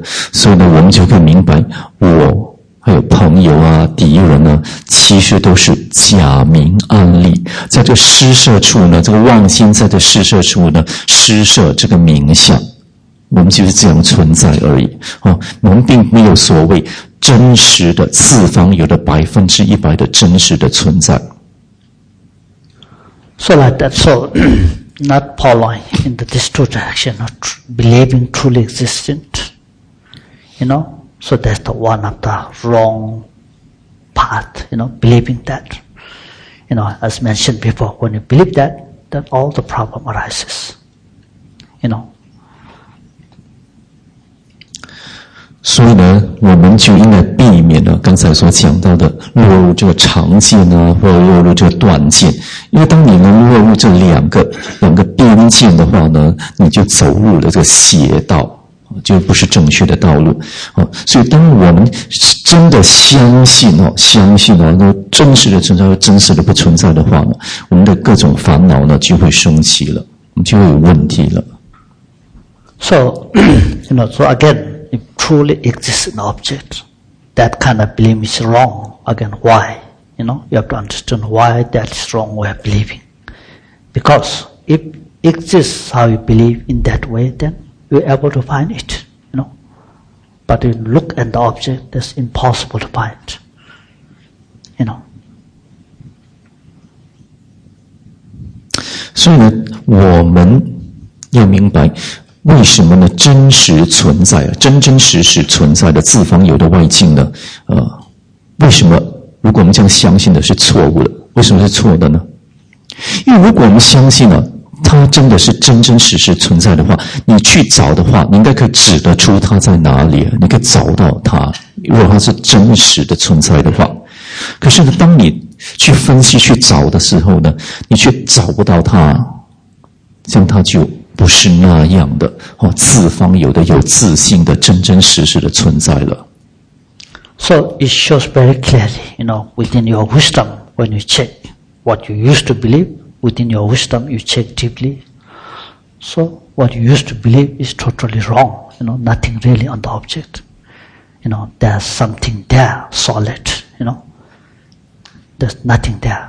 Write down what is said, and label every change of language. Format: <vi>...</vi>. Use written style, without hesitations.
<zh>所以呢，我们就可以明白，我还有朋友啊、敌人啊，其实都是假名安立，在这施舍处呢，这个妄心在这施舍处呢，施舍这个名相，我们就是这样存在而已。哦，我们并没有所谓。真实的四方有的100%的真实的存在。</zh> <en>So like that, so not following in the distortion, not believing truly existent, you know. So that's the one of the wrong path, you know. Believing that, you know, as mentioned before, when you believe that, then all the problem arises, you know.</en> <zh>所以呢，我们就应该避免了刚才所讲到的落入这个长见啊，或者落入这个短见。因为当你能落入这两个边见的话呢，你就走入了这个邪道，就不是正确的道路。所以当我们真的相信啊，那真实的存在和真实的不存在的话呢，我们的各种烦恼呢就会升起了，就会有问题了。</zh> <en>So, you know, so again. If truly exists an object, that kind of belief is wrong. Again, why? You know, you have to understand why that is wrong way of believing. Because if exists how you believe in that way, then you're able to find it, you know. But you look at the object, that's impossible to find, you know.</en> <zh>所以我们要明白为什么呢？真实存在，真真实实存在的自方有的外境呢？为什么？如果我们这样相信的是错误的，为什么是错的呢？因为如果我们相信呢，它真的是真真实实存在的话，你去找的话，你应该可以指得出它在哪里，你可以找到它。如果它是真实的存在的话，可是呢，当你去分析去找的时候呢，你却找不到它，这样它就。不是那样的、哦、自方有的有自信的真真实实的存在了。</zh> <en>So it shows very clearly, you know, within your wisdom, when you check what you used to believe, within your wisdom you check deeply. So what you used to believe is totally wrong, you know, nothing really on the object. You know, there's something there, solid, you know, there's nothing there.</en>